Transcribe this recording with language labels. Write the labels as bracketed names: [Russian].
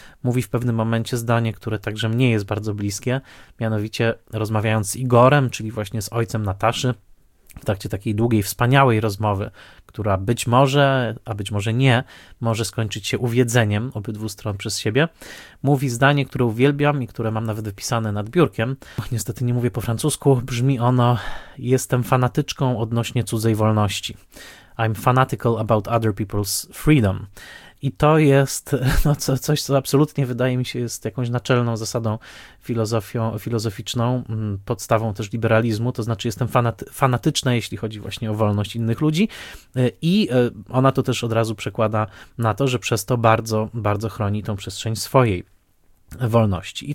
[Polish] Mówi w pewnym momencie zdanie, które także mnie jest bardzo bliskie, mianowicie rozmawiając z Igorem, czyli właśnie z ojcem Nataszy, w trakcie takiej długiej, wspaniałej rozmowy, która być może, a być może nie, może skończyć się uwiedzeniem obydwu stron przez siebie, mówi zdanie, które uwielbiam i które mam nawet wypisane nad biurkiem. Niestety nie mówię po francusku, brzmi ono: jestem fanatyczką odnośnie cudzej wolności. [English] I'm fanatical about other people's freedom. [Polish] I to jest coś, co absolutnie wydaje mi się jest jakąś naczelną zasadą filozoficzną, podstawą też liberalizmu, to znaczy jestem fanatyczna, jeśli chodzi właśnie o wolność innych ludzi i ona to też od razu przekłada na to, że przez to bardzo, bardzo chroni tą przestrzeń swojej wolności.